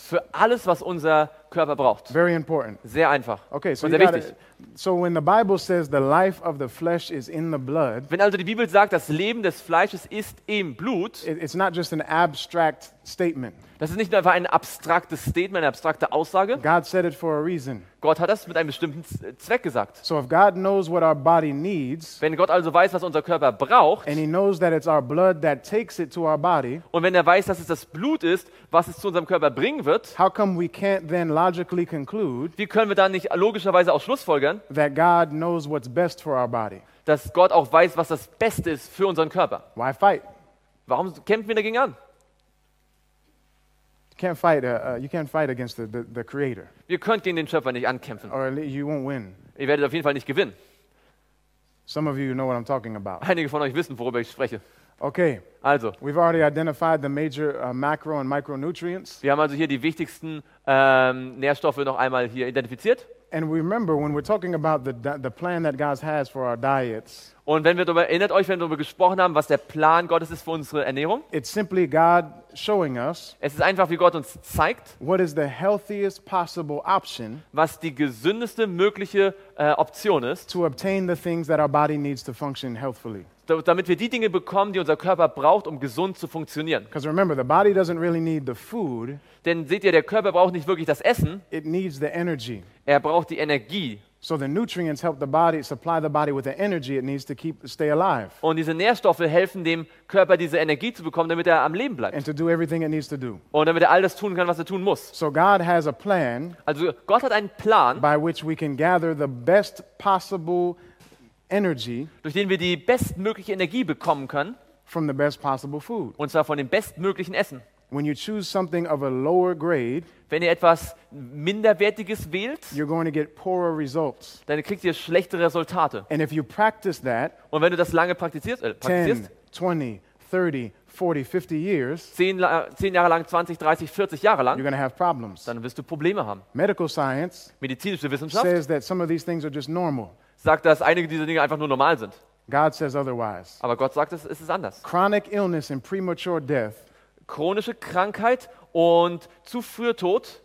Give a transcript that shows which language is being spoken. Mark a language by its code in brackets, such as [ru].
[de] Für alles, was unser Körper braucht. [en] Very important. [de] Sehr einfach. [en] Okay, so [de] und sehr wichtig. [en] So when the Bible says the life of the flesh is in the blood. [de] Wenn also die Bibel sagt, das Leben des Fleisches ist im Blut. [en] It's not just an abstract statement. [de] Das ist nicht nur einfach ein abstraktes Statement, eine abstrakte Aussage. [en] God said it for a reason. [de] Gott hat das mit einem bestimmten Zweck gesagt. [en] So if God knows what our body needs. [de] Wenn Gott also weiß, was unser Körper braucht. [en] And he knows that it's our blood that takes it to our body. [de] Und wenn er weiß, dass es das Blut ist, was es zu unserem Körper bringen wird. [en] How come we can't then logically conclude? [de] Wie können wir dann nicht logischerweise auch schlussfolgern? [en] That God knows what's best for our body. [de] Dass Gott auch weiß, was das Beste ist für unseren Körper. [en] Why fight? [de] Warum kämpfen wir dagegen an? [en] You can't fight against the creator. [de] Wir können gegen den Schöpfer nicht ankämpfen. [en] Or you won't win. [de] Ihr werdet auf jeden Fall nicht gewinnen. [en] Some of you know what I'm talking about. [de] Einige von euch wissen, worüber ich spreche. [en] Okay. [de] Also, [en] we've already identified the major macro and micronutrients. [de] Wir haben also hier die wichtigsten Nährstoffe noch einmal hier identifiziert. [en] And remember, when we're talking about the plan that God has for our diets. [de] Und wenn wir darüber, erinnert euch, wenn wir darüber gesprochen haben, was der Plan Gottes ist für unsere Ernährung. [en] It's simply God showing us. [de] Es ist einfach, wie Gott uns zeigt. [en] What is the healthiest possible option? [de] Was die gesündeste mögliche Option ist. [en] To obtain the things that our body needs to function healthfully. [de] Damit wir die Dinge bekommen, die unser Körper braucht, um gesund zu funktionieren. [en] Because remember, the body doesn't really need the food. [de] Denn seht ihr, der Körper braucht nicht wirklich das Essen. [en] It needs the energy. [de] Er braucht die Energie. [en] So the nutrients help the body supply the body with the energy it needs to keep stay alive. [de] Und diese Nährstoffe helfen dem Körper diese Energie zu bekommen, damit er am Leben bleibt. [en] And to do everything it needs to do. [de] Und damit er all das tun kann, was er tun muss. [en] So God has a plan. [de] Also Gott hat einen Plan. [en] By which we can gather the best possible energy. [de] Durch den wir die bestmögliche Energie bekommen können. [en] From the best possible food. [de] Und zwar von dem bestmöglichen Essen. [en] When you choose something of a lower grade, [de] wenn ihr etwas Minderwertiges wählt, [en] you're going to get poorer results. [de] Dann kriegt ihr schlechte Resultate. [en] And if you practice that, [de] und wenn du das lange praktizierst, 10 Jahre lang, 20, 30, 40 Jahre lang, [en] you're going to have problems. [de] Dann wirst du Probleme haben. [en] Medical science, [de] medizinische Wissenschaft, [en] says that some of these things are just normal. [de] Sagt, dass einige dieser Dinge einfach nur normal sind. [en] God says otherwise. [de] Aber Gott sagt, es ist anders. [en] Chronic illness and premature death. [de] Chronische Krankheit und zu früher Tod